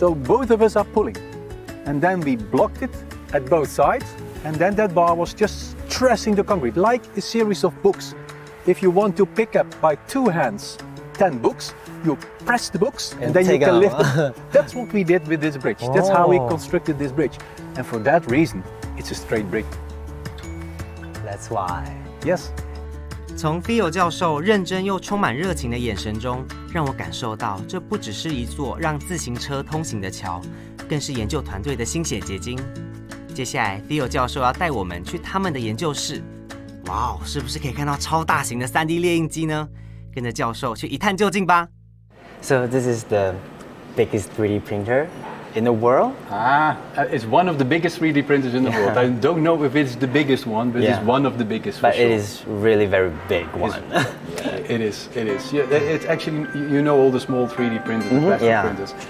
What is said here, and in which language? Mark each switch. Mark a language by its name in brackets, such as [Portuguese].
[English] So both of us are pulling, and then we blocked it at both sides, and then that bar was just stressing the concrete like a series of books. If you want to pick up by 2 hands 10 books, you press the books, and then you can lift them. That's what we did with this bridge. That's how we constructed this bridge, and for that reason, it's a straight bridge. That's why. Yes. [Chinese] 从 Theo 教授认真又充满热情的眼神中，让我感受到这不只是一座让自行车通行的桥，更是研究团队的心血结晶。接下来 Theo 教授要带我们去他们的研究室，哇哦，是不是可以看到超大型的 3D 列印机呢？跟着教授去一探究竟吧。 [English] So this is the biggest 3D printer in the world? It's one of the biggest 3D printers in the world. I don't know if it's the biggest one, but it's one of the biggest. But it is really very big one. It is. Yeah, it's actually, you know, all the small 3D printers, the desktop printers.